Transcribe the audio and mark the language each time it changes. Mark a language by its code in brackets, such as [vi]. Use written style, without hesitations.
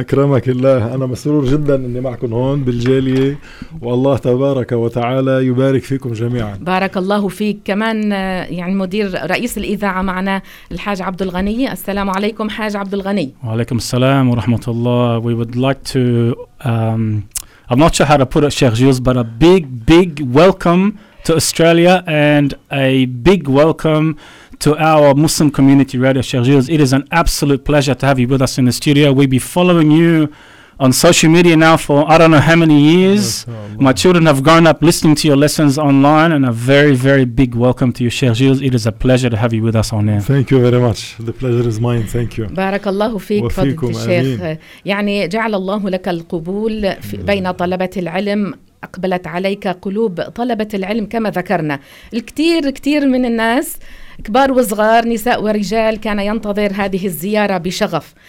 [ar] أكرمك الله، أنا مسرور جدا أني معكم هون بالجالية، والله تبارك وتعالى يبارك فيكم جميعا. بارك الله فيك. كمان يعني مدير رئيس الإذاعة معنا الحاج عبد الغني. السلام عليكم حاج عبد الغني. وعليكم السلام ورحمة الله. [en] We would like to I'm not sure how to put it, Sheikh Jules, but a big, big welcome to Australia and a big welcome to our Muslim community radio, Sheikh Jules. It is an absolute pleasure to have you with us in the studio. We've been following you on social media now for I don't know how many years. Yes, my children have grown up listening to your lessons online, and a very, very big welcome to you, Sheikh Jules. It is a pleasure to have you with us on air. Thank you very much. The pleasure is mine. Thank you. [ar] بارك الله فيك فضيلة الشيخ. يعني جعل الله لك القبول بين طلبة العلم، أقبلت عليك قلوب طلبة العلم كما ذكرنا. الكثير كثير من الناس كبار وصغار نساء ورجال كان ينتظر هذه الزيارة بشغف.